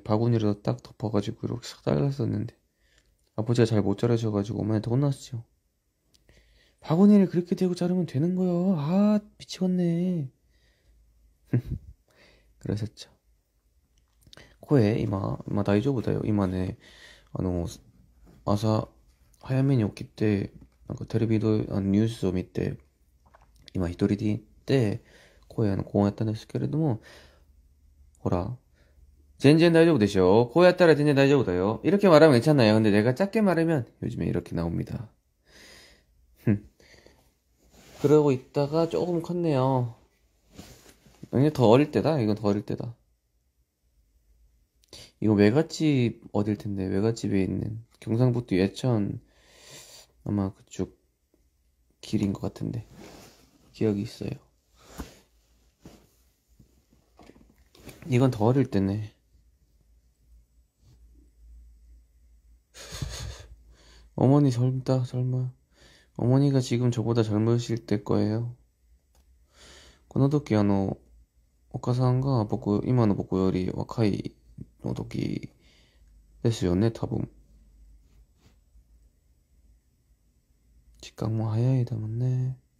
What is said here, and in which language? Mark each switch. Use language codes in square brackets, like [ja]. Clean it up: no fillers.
[ko] 바구니로 딱 덮어가지고 이렇게 싹 잘랐었는데 아버지가 잘못 자르셔가지고 엄마한테 혼났죠. 바구니를 그렇게 대고 자르면 되는 거예요. 아, 미치겠네. 그러셨죠. [ja] 코에 이마 다이조부다요. 이마네. 朝、早めに起きて、なんかテレビの、ニュースを見て、今一人で行って、こうやったんですけれども、ほら、全然大丈夫でしょ？こうやったら全然大丈夫だよ。 [ko] 이렇게말하면괜찮아요。근데내가작게말하면、요즘에이렇게나옵니다。 그러고있다가조금컸네요。 이게더어릴때다。 이건더어릴때다。 이거 외갓집 어딜 텐데, 외갓집에 있는 경상북도 예천 아마 그쪽 길인 것 같은데, 기억이 있어요. 이건 더 어릴 때네. 어머니 젊다, 젊어요. 어머니가 지금 저보다 젊으실 때 거예요. [ja] この時、お母さんが僕、今の僕より若いの時ですよね、多分。時間も早いだもんね。